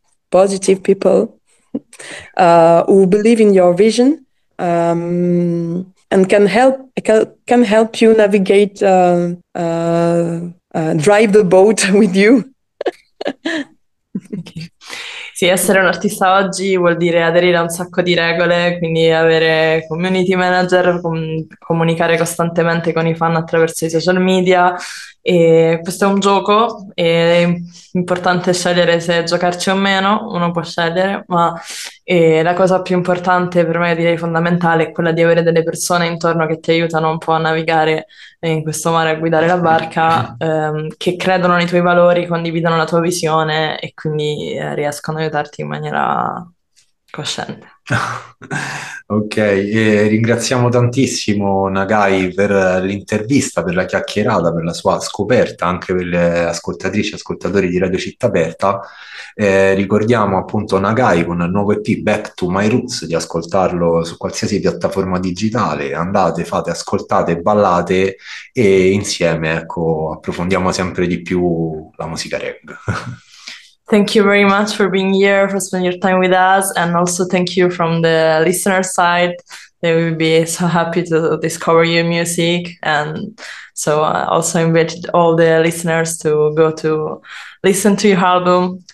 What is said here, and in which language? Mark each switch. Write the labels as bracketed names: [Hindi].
[English] positive people, who believe in your vision, and can help you navigate, drive the boat with you. Okay. [Italian] Sì, essere un artista oggi vuol dire aderire a un sacco di regole, quindi avere community manager, comunicare costantemente con i fan attraverso i social media. E questo è un gioco, è importante scegliere se giocarci o meno, uno può scegliere, ma la cosa più importante per me, direi fondamentale, è quella di avere delle persone intorno che ti aiutano un po' a navigare in questo mare, a guidare la barca, che credono nei tuoi valori, condividono la tua visione e quindi riescono ad aiutarti in maniera cosciente. Ok, e ringraziamo tantissimo Nagai per l'intervista, per la chiacchierata, per la sua scoperta, anche per le ascoltatrici e ascoltatori di Radio Città Aperta. Ricordiamo appunto Nagai con il nuovo EP Back to My Roots, di ascoltarlo su qualsiasi piattaforma digitale. Andate, fate, ascoltate, ballate e insieme, ecco, approfondiamo sempre di più la musica reggae. [English] Thank you very much for being here, for spending your time with us, and also thank you from the listener side. They will be so happy to discover your music, and so I also invited all the listeners to go to listen to your album.